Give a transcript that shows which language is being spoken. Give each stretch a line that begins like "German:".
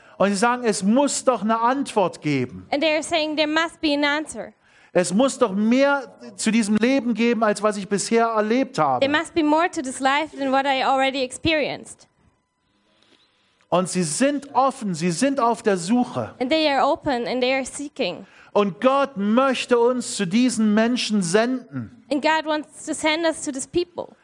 German: Und sie sagen, es muss doch eine Antwort geben.
English: And they are saying there must be an answer.
German: Es muss doch mehr zu diesem Leben geben, als was ich bisher erlebt habe.
English: There must be more to this life than what I already experienced.
German: Und sie sind offen, sie sind auf der Suche.
English: And they are open and they are seeking.
German: Und Gott möchte uns zu diesen Menschen senden.
English: And God wants to send us to these people.